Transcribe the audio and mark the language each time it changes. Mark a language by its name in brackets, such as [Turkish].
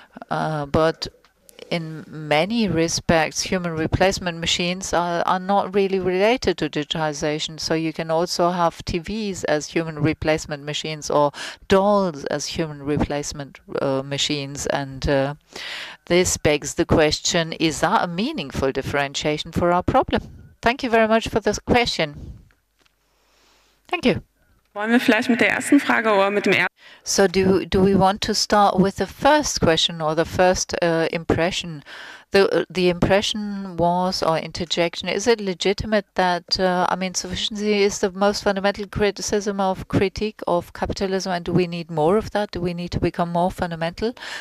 [English] But in many respects, human replacement machines are not really related to digitization. So you can also have TVs as human replacement machines or dolls as human replacement machines. And this begs the question, is that a meaningful differentiation for our problem? Thank you very much for this question. Thank you. [German] Wollen wir vielleicht mit der ersten Frage oder mit dem ersten? [English] So do we want to start with the first question or the first impression? The impression was, or interjection, is it legitimate that, sufficiency is the most fundamental critique of capitalism, and do we need more of that? Do we need to become more fundamental?